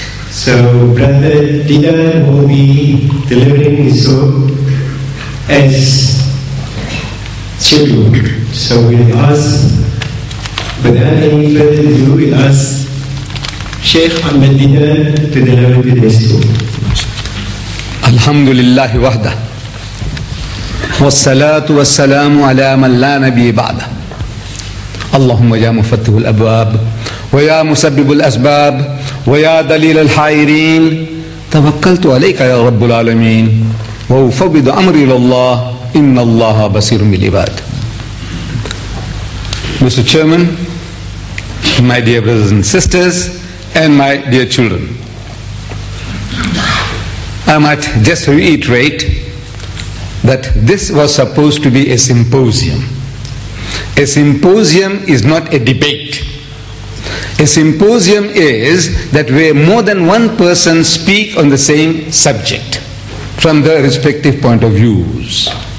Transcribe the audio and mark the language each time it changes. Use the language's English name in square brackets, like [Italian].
[English] So Brother Deedat will be delivering his talk as scheduled. So we'll ask, without any further ado, we'll ask Sheikh Ahmed Deedat to deliver today's talk. [Arabic] الحمد لله وحده والصلاة والسلام على من لا نبي بعده اللهم يا مفتح الأبواب ويا مسبب الأسباب ويا دليل الحائرين توكلت عليك يا رب العالمين وأفوض أمري إلى الله إن الله بصير بالعباد. [English] Mr. Chairman, my dear brothers and sisters, and my dear children, I might just reiterate that this was supposed to be a symposium. A symposium is not a debate. A symposium is that where more than one person speak on the same subject from their respective point of views.